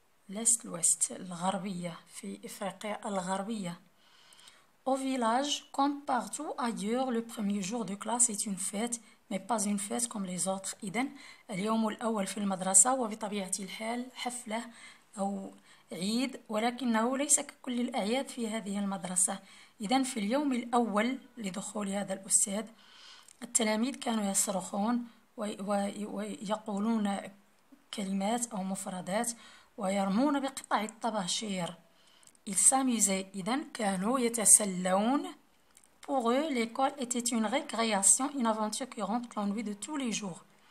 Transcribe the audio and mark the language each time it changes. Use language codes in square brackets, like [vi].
[ar] الويست الغربية في إفريقيا الغربية. [fr] Au village, comme partout ailleurs, le premier jour de classe est une fête, mais pas une fête comme les autres. [ar] Idem, اليوم الأول في المدرسة وبطبيعة الحال حفلة أو عيد، ولكنه ليس ككل الأعياد في هذه المدرسة. إذن في اليوم الأول لدخول هذا الأستاذ، التلاميذ كانوا يصرخون ويقولون كلمات أو مفردات ويرمون بقطع الطباشير. [fr] Ils s'amusaient. [ar] Idem, كانوا يتسلون. [fr] Pour eux, l'école était une récréation, une aventure qui rentre l'ennui de tous les jours.